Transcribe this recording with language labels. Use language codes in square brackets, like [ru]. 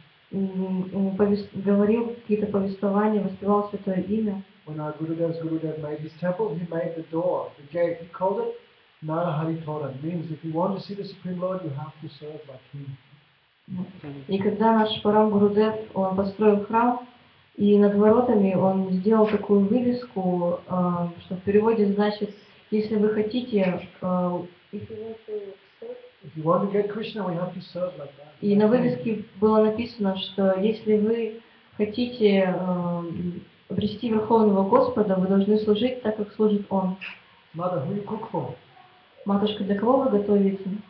[ru] Говорил какие-то повествования, воспевал святое имя. [en] When our Gurudev's Gurudev made his temple, he made the door, the gate. He called it Narahari-tora. Means if you want to see the Supreme Lord, you have to serve like him. [ru] И когда наш Парам Гурудев, он построил храм, и над воротами он сделал такую вывеску, что в переводе значит, Если вы хотите, [en] if you want to get Krishna, we have to serve like that. [ru] И на вывеске было написано, что если вы хотите обрести Верховного Господа, вы должны служить так, как служит Он. [en] Mother, who you cook for? [ru] Матушка, для кого вы готовите?